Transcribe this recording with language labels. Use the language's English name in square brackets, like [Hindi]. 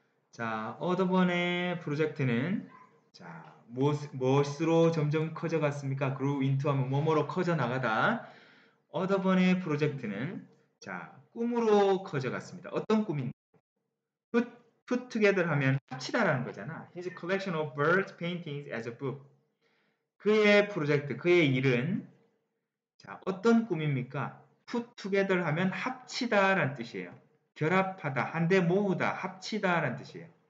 [Korean] 자, 어드번의 프로젝트는 자, 무엇으로 점점 커져갔습니까? [English] Grow into [Korean] 하면 뭐뭐로 커져나가다. 어드번의 프로젝트는 자, 꿈으로 커져갔습니다. 어떤 꿈인가? [English] Put together [Korean] 하면 합치다라는 거잖아. [English] His collection of bird paintings as a book. [Korean] 그의 프로젝트, 그의 일은 자, 어떤 꿈입니까? [English] Put together [Korean] 하면 합치다라는 뜻이에요. 결합하다, 한데 모으다, 합치다라는 뜻이에요.